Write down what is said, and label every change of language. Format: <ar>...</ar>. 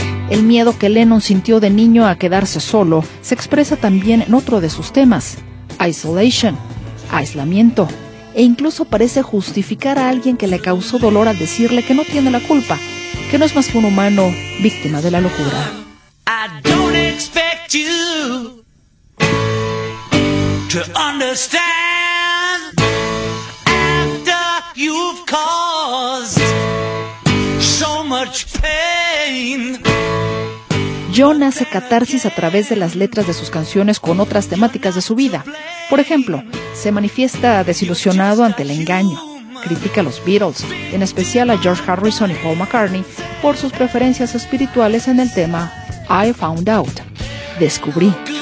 <es>El miedo que Lennon sintió de niño a quedarse solo se expresa también en otro de sus temas, Isolation, aislamiento, e incluso parece justificar a alguien que le causó dolor al decirle que no tiene la culpa, que no es más que un humano víctima de la locura.</es> <en>I don't expect you to understand after you've caused so much pain.</en> <es>John hace catarsis a través de las letras de sus canciones con otras temáticas de su vida. Por ejemplo, se manifiesta desilusionado ante el engaño. Critica a los Beatles, en especial a George Harrison y Paul McCartney, por sus preferencias espirituales en el tema I Found Out. Descubrí.</es>